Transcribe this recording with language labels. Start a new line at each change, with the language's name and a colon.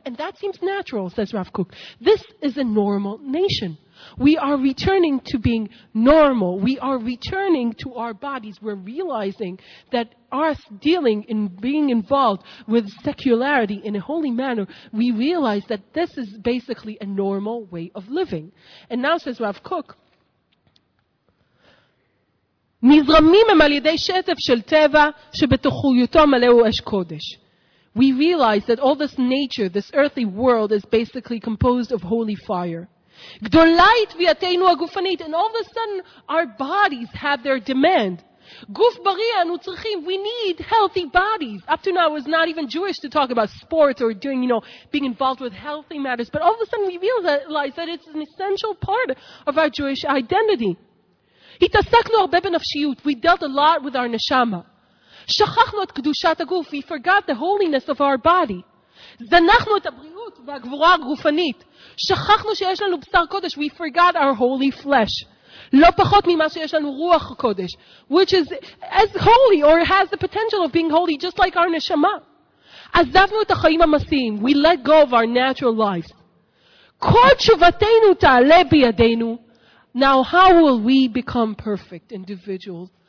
English: And that seems natural, says Rav Kook. This is a normal nation. We are returning to being normal. We are returning to our bodies. We're realizing that us dealing in being involved with secularity in a holy manner, we realize that this is basically a normal way of living. And now, says Rav Kook,
Hebrew: נזרמים הם על ידי שטף של טבע שבתוכויותו מלאו אש קודש.
English: We realize that all this nature, this earthly world, is basically composed of holy fire.
Hebrew: גדולה תביעתנו הגופנית,
English: and all of a sudden, our bodies have their demand.
Hebrew: גוף בריא אנו צריכים,
English: we need healthy bodies. Up to now, it was not even Jewish to talk about sports or doing, you know, being involved with healthy matters. But all of a sudden, we realize that it's an essential part of our Jewish identity.
Hebrew: התעסקנו הרבה בנפשיות.
English: We dealt a lot with our neshama.
Hebrew: שכחנו את קדושת הגוף.
English: We forgot the holiness of our body.
Hebrew: זנחנו את הבריאות והגבורה הגופנית. שכחנו שיש לנו בשר קודש.
English: We forgot our holy flesh.
Hebrew: לא פחות ממה שיש לנו רוח קודש.
English: Which is as holy or has the potential of being holy just like our neshama.
Hebrew: עזבנו את החיים המסיים.
English: We let go of our natural lives.
Hebrew: כל תשובתנו תעלה בידינו.
English: Now, how will we become perfect individuals?